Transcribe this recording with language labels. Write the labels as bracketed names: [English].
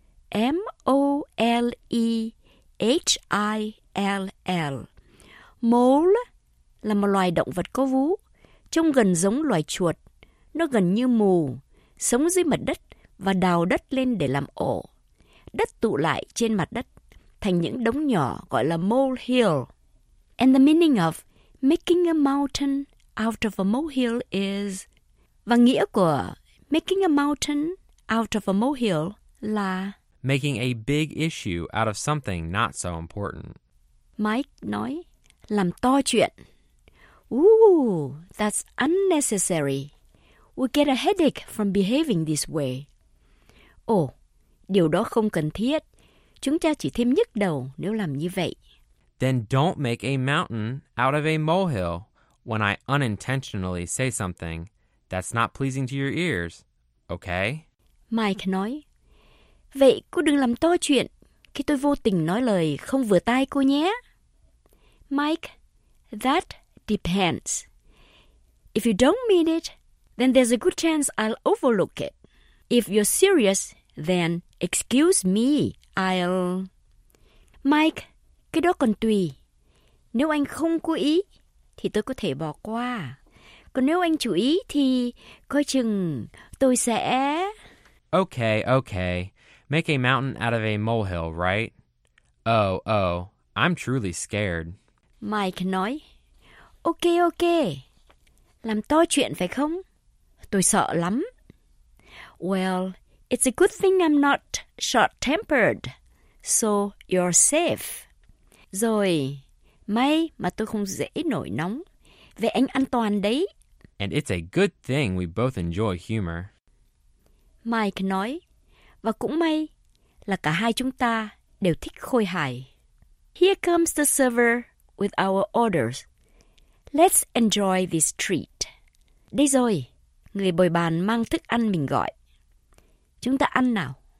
[English] M-O-L-E-H-I-L-L. [Vietnamese] Mole là một loài động vật có vú. Trông gần giống loài chuột. Nó gần như mù. Sống dưới mặt đất và đào đất lên để làm ổ. Đất tụ lại trên mặt đất thành những đống nhỏ gọi là molehill. [English] And the meaning of making a mountain out of a molehill is... [Vietnamese] Và nghĩa của [English] making a mountain out of a molehill [Vietnamese] là [English] making a big issue out of something not so important. [Vietnamese] Mike nói, làm to chuyện. [English] Ooh, that's unnecessary. We get a headache from behaving this way. [Vietnamese] Ồ, điều đó không cần thiết. chúng ta chỉ thêm nhức đầu nếu làm như vậy. [English] Then don't make a mountain out of a molehill when I unintentionally say something that's not pleasing to your ears, okay? [Vietnamese] Mike nói, vậy cô đừng làm to chuyện khi tôi vô tình nói lời không vừa tai cô nhé. [English] Mike, that depends. If you don't mean it, then there's a good chance I'll overlook it. If you're serious, then excuse me, I'll... [Vietnamese] Mike, cái đó còn tùy. Nếu anh không cố ý, thì tôi có thể bỏ qua. Còn nếu anh chú ý, thì coi chừng tôi sẽ... [English] Okay, okay. Make a mountain out of a molehill, right? Oh, I'm truly scared. [Vietnamese] Mike nói, [English] okay, okay. [Vietnamese] Làm to chuyện phải không? Tôi sợ lắm. [English] Well, it's a good thing I'm not short-tempered, so you're safe. [Vietnamese] Rồi, may mà tôi không dễ nổi nóng. Vậy anh an toàn đấy. [English] And it's a good thing we both enjoy humor. [Vietnamese] Mike nói, và cũng may là cả hai chúng ta đều thích khôi hài. [English] Here comes the server with our orders. Let's enjoy this treat. [Vietnamese] Đây rồi, người bồi bàn mang thức ăn mình gọi. Chúng ta ăn nào.